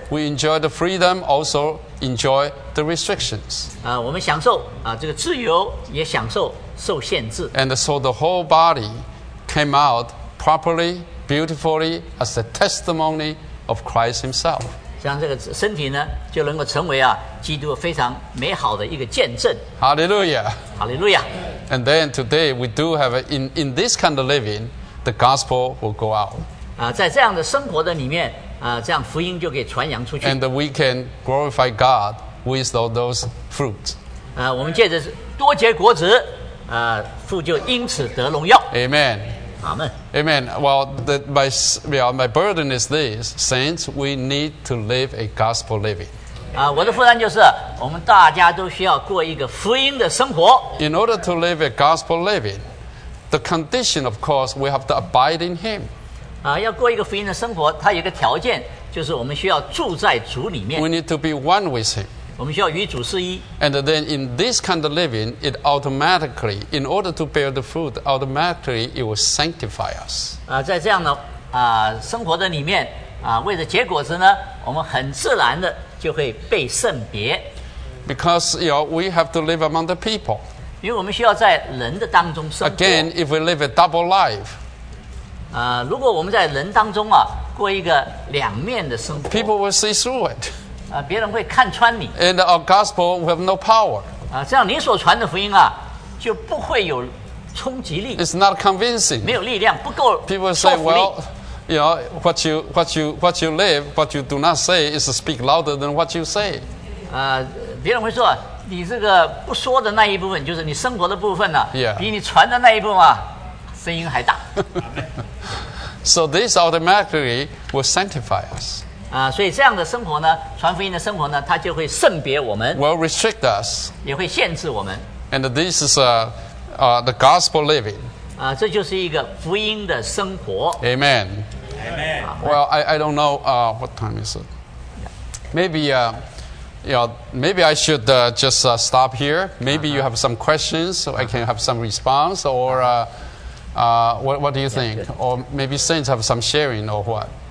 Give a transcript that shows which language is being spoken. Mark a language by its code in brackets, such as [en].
[en] we enjoy the freedom also enjoy the restrictions [zh] 我们享受这个自由也享受受限制 [en] and so the whole body came out properly beautifully as a testimony of Christ himself [zh] 像这个身体呢就能够成为基督非常美好的一个见证 Hallelujah Hallelujah [en] and then today we do have in this kind of livingThe gospel will go out. [zh] 在这样的生活的里面，这样福音就可以传扬出去。 [en] And we can glorify God with all those fruits. [zh] 我们借着多结果子，父就因此得荣耀。 Amen. Amen. [en] Amen. Well, my burden is this: saints, we need to live a gospel living. [zh] 我的负担就是，我们大家都需要过一个福音的生活。 [en] In order to live a gospel living. The condition, of course, we have to abide in Him. [zh] 要过一个福音的生活，它有一个条件，就是我们需要住在主里面。 [en] We need to be one with Him. [zh] 我们需要与主是一。 [en] And then in this kind of living, it automatically, in order to bear the fruit, automatically it will sanctify us. [zh] 在这样的生活的里面，为了结果子呢，我们很自然的就会被圣别。 [en] Because you know, we have to live among the people. [zh] 因为我们需要在人的当中生活。 [en] Again, if we live a double life, [zh] 如果我们在人当中过一个两面的生活 [en] ，people will see through it. [zh] 别人会看穿你。 [en] And our gospel will have no power. [zh] 这样你所传的福音就不会有冲击力。 [en] It's not convincing. [zh] 没有力量，不够说服力。 [en] People say, well, you know, what you live, what you do not say is speak louder than what you say. [zh] 别人会说。你这个不说的那一部分，就是你生活的部分呢、啊， [en] yeah. [zh] 比你传的那一部分声音还大。 [en] So this automatically will sanctify us. [zh] 所以这样的生活呢，传福音的生活呢，它就会圣别我们。 [en] Will restrict us. [zh] 也会限制我们。 [en] And this is the gospel living. [zh] 这就是一个福音的生活。 Amen. Amen. [en] Well, I don't know what time is it. Maybe you know, maybe I should just stop here. Maybe you have some questions, so I can have some response. Or what do you think? Good. Or maybe saints have some sharing or what?